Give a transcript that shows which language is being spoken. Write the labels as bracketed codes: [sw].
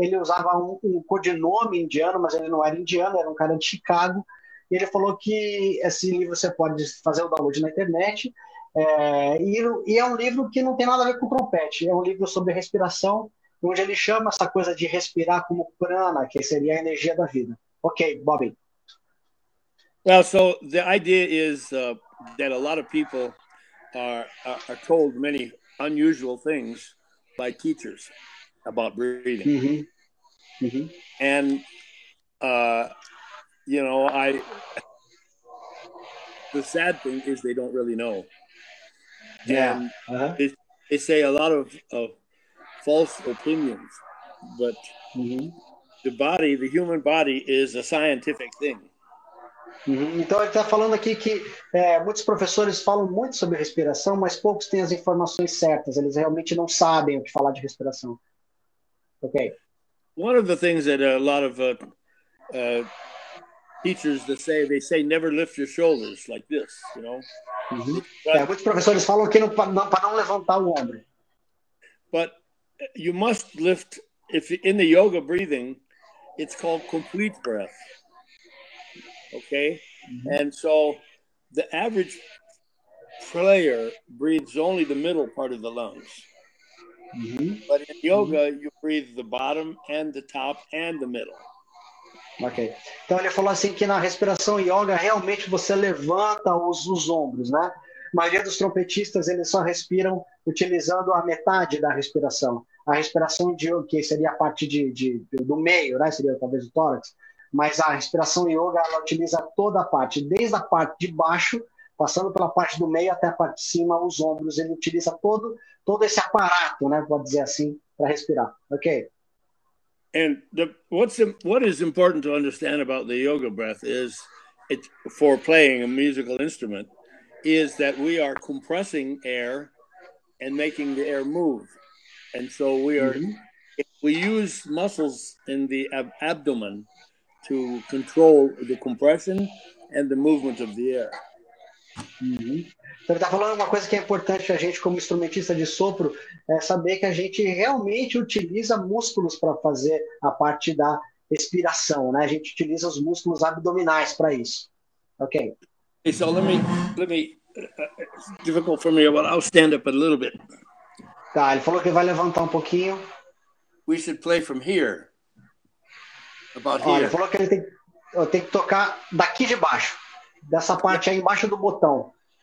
[pt] Ele usava um codinome indiano, mas ele não era indiano, era um cara de Chicago. E ele falou que esse livro você pode fazer o download na internet. E é um livro que não tem nada a ver com trompete. É um livro sobre respiração, onde ele chama essa coisa de respirar como prana, que seria a energia da vida. Ok, Bobby. [en] Well, so the idea is that a lot of people are told many unusual things by teachers about breathing. And, you know, the sad thing is they don't really know. And they say a lot of false opinions, but the body, the human body, is a scientific thing. [pt] Então ele está falando aqui que muitos professores falam muito sobre respiração, mas poucos têm as informações certas. Eles realmente não sabem o que falar de respiração. Ok. [en] One of the things that a lot of teachers that say never lift your shoulders like this, you know. [pt] Muitos professores falam que não para não levantar o ombro. [en] But you must lift if in the yoga breathing, it's called complete breath. Okay. Mm-hmm. And so the average player breathes only the middle part of the lungs. Mm-hmm. But in yoga, mm-hmm. you breathe the bottom and the top and the middle. Ok. [pt] Então ele falou assim que na respiração yoga realmente você levanta os ombros, né? A maioria dos trompetistas eles só respiram utilizando a metade da respiração. A respiração de yoga, que seria a parte do meio, né? Seria talvez o tórax. Mas a respiração yoga ela utiliza toda a parte, desde a parte de baixo, passando pela parte do meio até a parte de cima, os ombros. Ele utiliza todo esse aparato, né? Pode dizer assim, para respirar. Ok. [en] And what is important to understand about the yoga breath is, it for playing a musical instrument, is that we are compressing air and making the air move. And so we are, mm-hmm. if we use muscles in the abdomen to control the compression and the movement of the air. Mm-hmm. [pt] Então, ele está falando uma coisa que é importante para a gente, como instrumentista de sopro, é saber que a gente realmente utiliza músculos para fazer a parte da respiração, né? A gente utiliza os músculos abdominais para isso. Ok. [en] So let me. It's difficult for me, but I'll stand up a little bit. [pt] Tá, ele falou que vai levantar um pouquinho. [en] We should play from here. About here. [pt] Ele falou que ele tem que tocar daqui de baixo, dessa parte aí embaixo do botão.